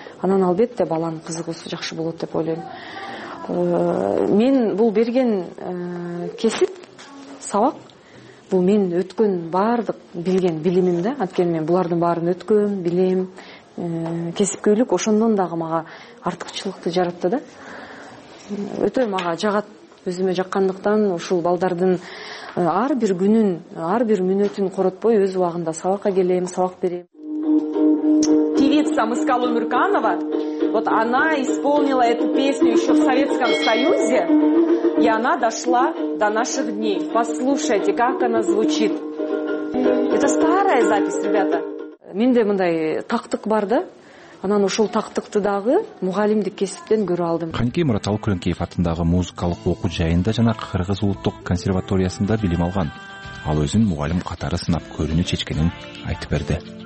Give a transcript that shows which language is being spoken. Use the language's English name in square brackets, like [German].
[Kyrgyz] Анан албетте баланын кызыгуусу жакшы болот деп ойлойм. Мен бул берген кесип, сабак бул мен өткөн баардык билген билимим да, анткени мен булардын баарын өткөм, билем. Кесипкөйлүк ошондон дагы мага артыкчылыкты жаратты да. Өтө мага жагат өзүмө жаккандыктан ушул балдардын ар бир күнүн, ар бир мүнөтүн коротпой өз убагында сабакка келем, сабак берем. [Russian] Певица Мыскалы Мүрканова, вот она исполнила эту песню еще в Советском Союзе, и она дошла до наших дней. Послушайте, как она звучит. Это старая запись, ребята. [Kyrgyz] Менде мындай тактык бар да, анан ошол тактыкты дагы мугалимдик кесиптен көрүп алдым. Ханки Мурат Алкөлөнкеев атындагы музыкалык окуу жайында жана Кыргыз улуттук консерваториясында билим алган. Ал өзүн мугалим катары сынап көрүүнү чечкенин айтып берди.